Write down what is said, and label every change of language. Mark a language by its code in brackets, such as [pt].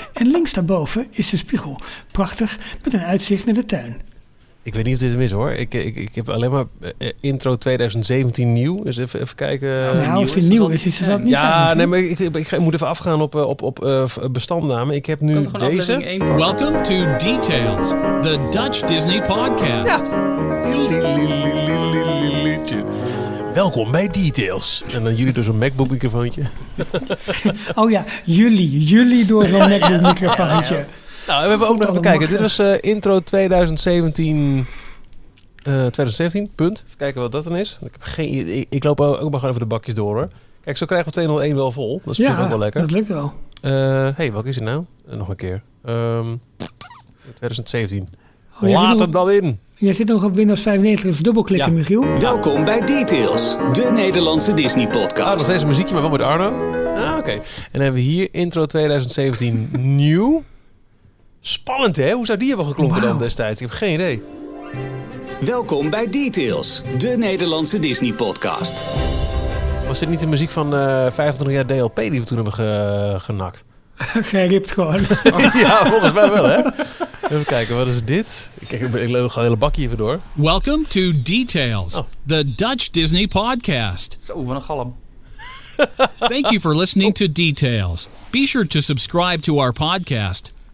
[nl] En links daarboven is de spiegel. Prachtig, met een uitzicht naar de tuin. Ik weet niet of dit hem is hoor. Ik heb alleen maar intro 2017 nieuw. Dus even kijken. Nou, als het nieuw is, is dat niet. Ja, nee, maar ik moet even afgaan op bestandnamen. Ik heb nu deze. [en] Welcome to Details, the Dutch Disney podcast. [nl] Ja. Welkom bij Details. En dan jullie door zo'n MacBook microfoontje. Oh ja, jullie door zo'n MacBook microfoontje. Nou, we hebben ook nog even kijken. Dit was intro 2017, punt. Even kijken wat dat dan is. Ik loop ook maar gewoon even de bakjes door, hoor. Kijk, zo krijgen we 201 wel vol. Dat is misschien ook wel lekker. Dat lukt wel. Hey, welke is het nou? Nog een keer. 2017. Oh, laat hem dan in. Jij zit nog op Windows 95, dus dubbelklikken, Michiel. Welkom bij Details, de Nederlandse Disney podcast. Dat is deze muziekje, maar wel met Arno. Oké. En dan hebben we hier intro 2017 nieuw. Spannend, hè? Hoe zou die hebben geklonken dan destijds? Ik heb geen idee. Welkom bij Details, de Nederlandse Disney-podcast. Was dit niet de muziek van 25 jaar DLP die we toen hebben genakt? Geript gewoon. Ja, volgens mij wel, hè? Even kijken, wat is dit? Ik loop een hele bakje even door. [en] Welcome to Details, the Dutch Disney-podcast. [nl] Zo, wat een galm. [en] Thank you for listening to Details. Be sure to subscribe to our podcast...